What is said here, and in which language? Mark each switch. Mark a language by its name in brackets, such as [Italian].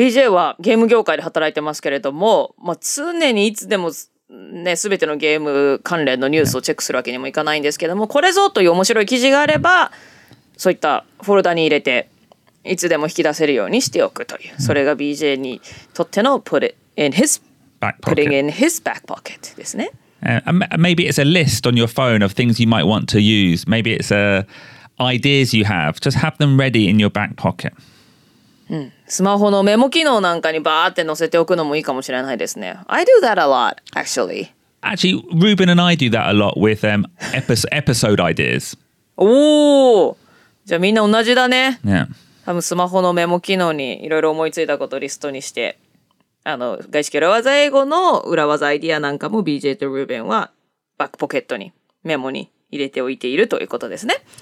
[Japanese] BJ はゲーム業界で働いてますけれども、まあ、常にいつでもね、全てのゲーム関連のニュースをチェックするわけにもいかないんですけども、これぞという面白い記事があれば、そういったフォルダに入れていつでも引き出せるようにしておくという、それが BJ にとっての [English] put it in his back pocket. Putting in his back pocket [Japanese] ですね。 [English] Maybe it's a list on your phone of things you might want to use. Maybe it's ideas you have. Just have them ready in your back pocket. [Japanese] うん、スマホのメモ機能なんかにバーって載せておくのもいいかもしれないですね。 [English] I do that a lot, actually. Actually, Ruben and I do that a lot with episode ideas. [Japanese] おお、じゃあみんな同じだね。 [English] Yeah. [Japanese] 多分スマホのメモ機能にいろいろ思いついたことをリストにして、あの外資系裏技英語の裏技アイディアなんかも BJ と Ruben はバックポケットにメモに入れておいているということですね。